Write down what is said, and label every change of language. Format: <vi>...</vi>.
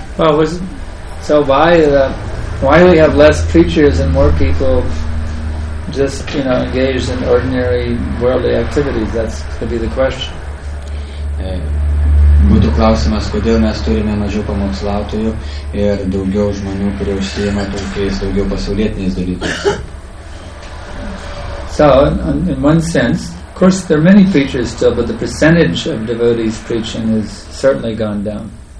<en>Well, why do we have less preachers and more people just, you know, engaged in ordinary worldly activities? That's going to be the question.</en> <lt>Būtų klausimas, kodėl mes turime mažiau pamokslautojų ir daugiau žmonių, kurie užsiima tokiais daugiau pasaulietiniais dalykais.</lt> <en>So, in one sense, of course, there are many preachers still, but the percentage of devotees preaching has certainly gone down.</en>